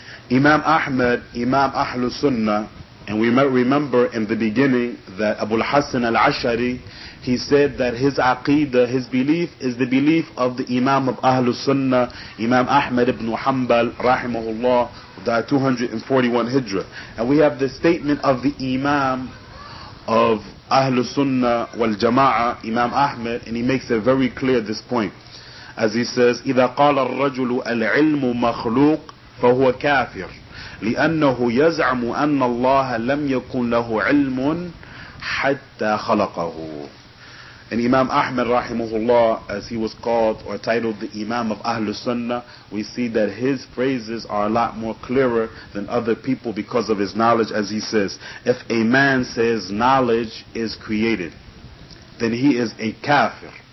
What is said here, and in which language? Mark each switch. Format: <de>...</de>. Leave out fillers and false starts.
<en>Imam Ahmed, Imam Ahlu Sunnah, and we might remember in the beginning that Abu al-Hassan al-Ash'ari, he said that his aqidah, his belief, is the belief of the Imam of Ahlu Sunnah, Imam Ahmed ibn Hanbal, rahimahullah, died 241 Hijra. And we have the statement of the Imam of Ahlu Sunnah wal Jama'ah, Imam Ahmed, and he makes it very clear this point. As he says,</en> <ar>إِذَا قَالَ الرَّجُلُ الْعِلْمُ مَخْلُوقٌ فَهُوَ كَافِرٌ لِأَنَّهُ يَزْعَمُ أَنَّ اللَّهَ لَمْ يَكُنْ لَهُ عِلْمٌ حَتَّى خَلَقَهُ.</ar> <en>And Imam Ahmed rahimahullah, as he was called or titled the Imam of Ahlu Sunnah, we see that his phrases are a lot more clearer than other people because of his knowledge. As he says, if a man says knowledge is created, then he is a kafir.</en>